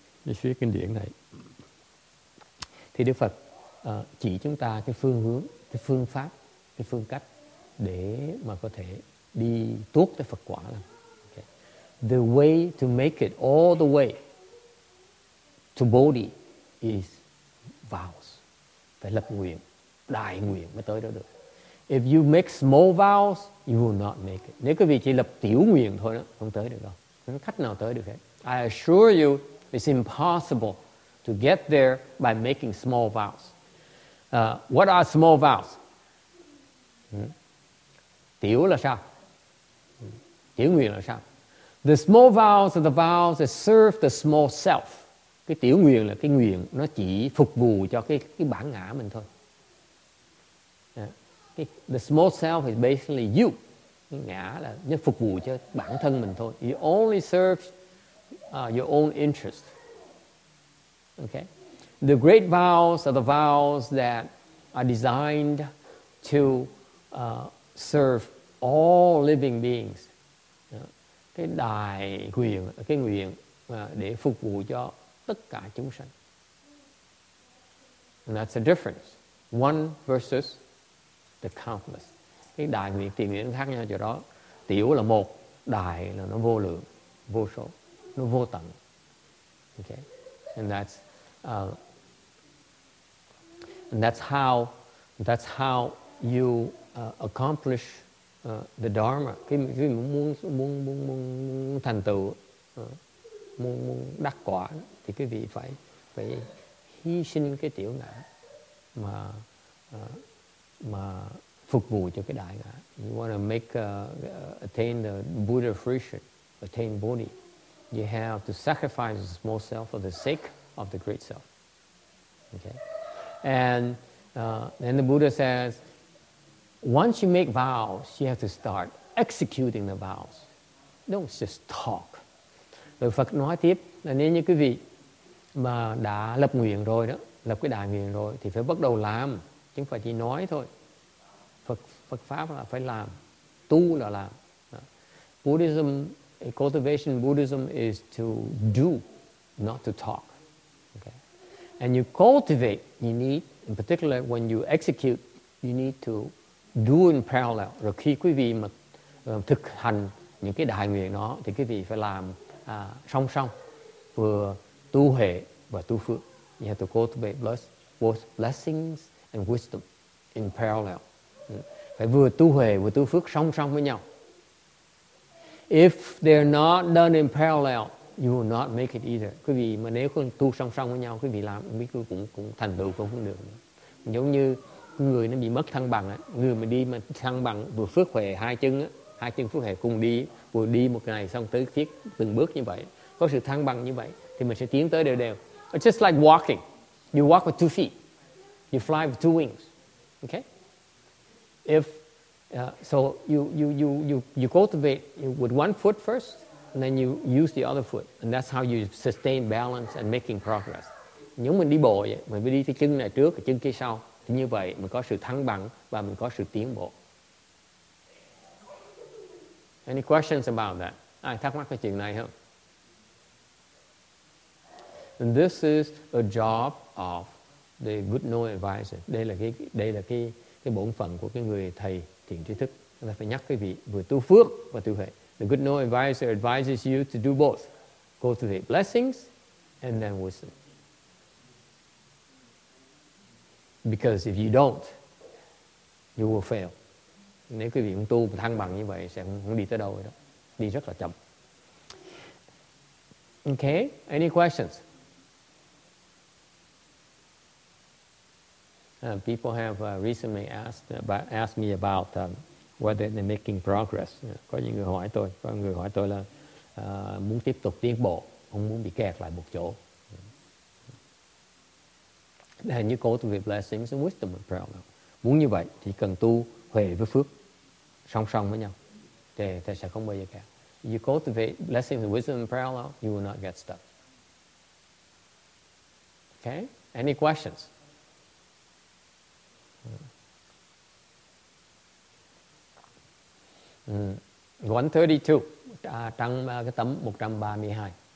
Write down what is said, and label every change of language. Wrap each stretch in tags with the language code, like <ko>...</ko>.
<vi>Cái phía kinh điển này thì Đức Phật chỉ chúng ta cái phương hướng, cái phương pháp, cái phương cách để mà có thể đi tuốt cái Phật quả là okay.</vi> <en>The way to make it all the way to Bodhi is vows.</en> <vi>Phải lập nguyện, đại nguyện mới tới đó được.</vi> <en>If you make small vows, you will not make it.</en> <vi>Nếu quý vị chỉ lập tiểu nguyện thôi đó, không tới được đâu. Không có cách nào tới được hết.</vi> <en>I assure you, it's impossible to get there by making small vows. What are small vows?</en> <vi>Tiểu là sao? Tiểu nguyện là sao?</vi> <en>The small vows are the vows that serve the small self.</en> <vi>Cái tiểu nguyện là cái nguyện nó chỉ phục vụ cho cái bản ngã mình thôi.</vi> <en>The small self is basically you.</en> <vi>Cái ngã là nó phục vụ cho bản thân mình thôi.</vi> <en>It only serves your own interest. Okay, the great vows are the vows that are designed to serve all living beings.</en> <vi>Cái đại nguyện, cái nguyện để phục vụ cho tất cả chúng sanh.</vi> <en>And that's the difference, one versus the countless.</en> <vi>Cái đại nguyện, tiểu nguyện khác nhau chỗ đó. Tiểu là một, đại là nó vô lượng, vô số, nó vô tận.</vi> <en>Okay, and that's and that's how you accomplish the dharma.</en> <vi>Khi mình muốn thành tựu, muốn đắc quả thì quý vị phải hy sinh cái tiểu ngã mà phục vụ cho cái đại ngã.</vi> <en>You want to make attain the Buddha fruition, attain Bodhi. You have to sacrifice the small self for the sake of the great self. Okay, and then the Buddha says, once you make vows, you have to start executing the vows. Don't just talk.</en> <vi>Rồi Phật nói tiếp là nếu như quý vị mà đã lập nguyện rồi đó, lập cái đại nguyện rồi thì phải bắt đầu làm, chứ không phải chỉ nói thôi. Phật pháp là phải làm, tu là làm.</vi> <en>Buddhism, cultivation Buddhism is to do, not to talk. And you cultivate, you need, in particular when you execute, you need to do in parallel.</en> <vi>Rồi khi quý vị mà thực hành những cái đại nguyện đó, thì quý vị phải làm song song, vừa tu huệ và tu phước.</vi> <en>You have to cultivate both blessings and wisdom in parallel.</en> <vi>Phải vừa tu huệ vừa tu phước song song với nhau.</vi> <en>If they're not done in parallel, you will not make it either.</en> <vi>Quý vị mà nếu không tu song song với nhau, quý vị làm không biết cũng thành tựu không được. Giống như người nó bị mất thăng bằng á, người mà đi mà thăng bằng vừa phước huệ hai chân á, hai chân phước huệ cùng đi, vừa đi một ngày xong tới thiết từng bước như vậy, có sự thăng bằng như vậy thì mình sẽ tiến tới đều đều.</vi> <en>It's just like walking. You walk with two feet. You fly with two wings. Okay? If so you cultivate with one foot first, and then you use the other foot, and that's how you sustain balance and making progress.</en> <vi>Nếu mình đi bộ vậy, mình đi cái chân này trước, cái chân kia sau, thì như vậy mình có sự thăng bằng và mình có sự tiến bộ.</vi> <en>Any questions about that?</en> <vi>Ai thắc mắc cái chuyện này không?</vi> <en>And this is a job of the good knowing advisor.</en> <vi>Đây là cái bổn phận của cái người thầy thiện trí thức. Chúng ta phải nhắc quý vị vừa tu phước và tu huệ.</vi> <en>The good knowing advisor advises you to do both. Go to the blessings and then wisdom. Because if you don't, you will fail.</en> <vi>Nếu quý vị không tu thăng bằng như vậy sẽ không đi tới đâu đó. Đi rất là chậm.</vi> <en>Okay, any questions? People have recently asked me about whether they're making progress.</en> <vi>Có những người hỏi tôi, có người hỏi tôi là muốn tiếp tục tiến bộ, không muốn bị kẹt lại một chỗ.</vi> <en>And you go to the blessings and wisdom and parallel.</en> <vi>Muốn như vậy thì cần tu huệ với phước song song với nhau. Thì sẽ không bao giờ kẹt.</vi> <en>You go to the blessings and wisdom and parallel, you will not get stuck. Okay? Any questions?</en> <vi>Mm. 132 trang cái tấm 132.</vi>